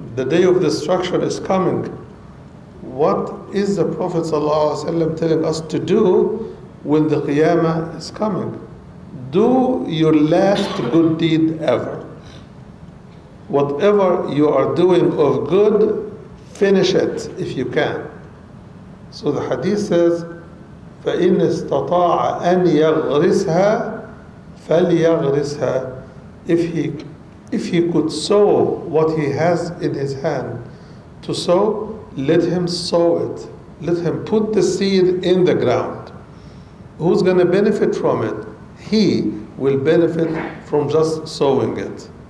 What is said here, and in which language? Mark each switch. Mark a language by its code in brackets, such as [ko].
[en] The day of destruction is coming. What is the Prophet ﷺ telling us to do when the Qiyamah is coming? Do your last good deed ever. Whatever you are doing of good, finish it if you can. So the hadith says, [ar] فَإِنْ اسْتَطَاعَ أَنْ يَغْرِسْهَا فَلْيَغْرِسْهَا. [en] If he could sow what he has in his hand to sow, let him sow it. Let him put the seed in the ground. Who's going to benefit from it? He will benefit from just sowing it.